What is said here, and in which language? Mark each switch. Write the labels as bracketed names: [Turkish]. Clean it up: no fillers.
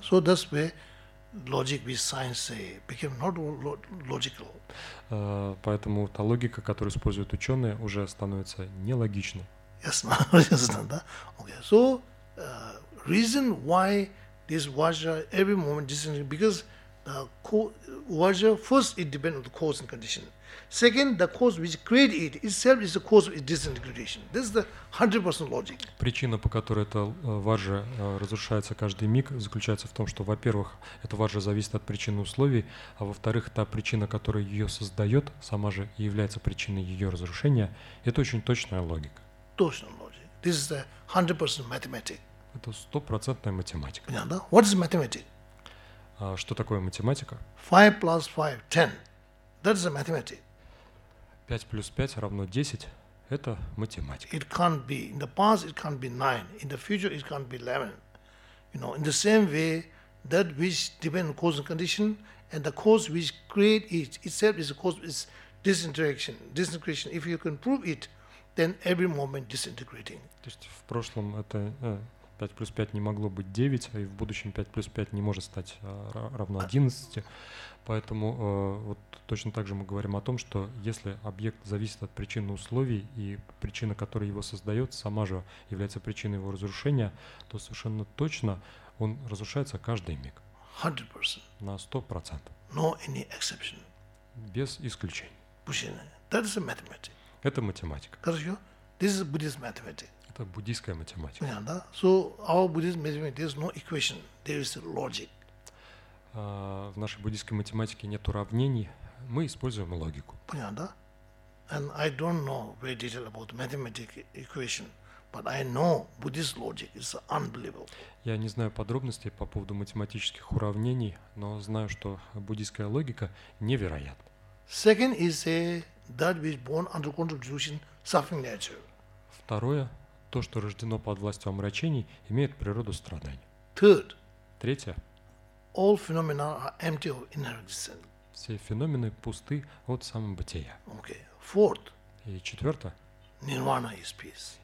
[English] So that's where logic with science say became not logical. [Russian] Поэтому та логика, которую используют ученые, уже становится нелогичной. Ясно, ясно, да? Okay. [English] So reason why this vajra every moment disintegrates because the vajra first it depends on the cause and condition. Second, the cause which created it itself is the cause of its disintegration. This is the 100% logic. [Russian] Причина, по которой эта ваджа разрушается каждый миг, заключается в том, что, во-первых, эта ваджа зависит от причин и условий, а во-вторых, та причина, которая ее создает, сама же и является причиной ее разрушения. Это очень точная логика. Точная логика. [English] This is the 100% mathematics. [Russian] Это 100% математика. Понятно? [English] Yeah, what is mathematics? [Russian] Что такое математика? [English] 5 + 5 = 10. That is a mathematics. [Russian] 5 + 5 = 10. Это математика. [English] It can't be. In the past, it can't be 9. In the future, it can't be 11. You know, in the same way, that which depends on cause and condition, and the cause which create it itself is a cause is disintegration. If you can prove it, then every moment disintegrating. [Russian] То есть в прошлом это 5 плюс 5 не могло быть 9, а и в будущем 5 плюс 5 не может стать равно 11. Поэтому вот точно так же мы говорим о том, что если объект зависит от причины условий, и причина, которая его создает, сама же является причиной его разрушения, то совершенно точно он разрушается каждый миг. 100%. На 100%. [English] No any exception. [Russian] Без исключений. Почему? [English] That is a mathematics. [Russian] Это математика. Хорошо? [English] This is Buddhist mathematics. [Russian] Это буддийская математика. Yeah, да? [English] So our Buddhist mathematics, there is no equation, there is logic. [Russian] В нашей буддийской математике нет уравнений, мы используем логику. Понятно, да? [English] And I don't know very detail about mathematical equation, but I know Buddhist logic is unbelievable. [Russian] Я не знаю подробностей по поводу математических уравнений, но знаю, что буддийская логика невероятна. [English] Second is that which born under control of delusion, suffering nature. [Russian] Второе, то, что рождено под властью омрачений, имеет природу страданий. [English] Third. [Russian] Третье. [English] All phenomena are empty of inner existence. [Russian] Все феномены пусты от самобытия. [English] Okay. Fourth. [Russian] И четвертое. [English] Nirvana is peace.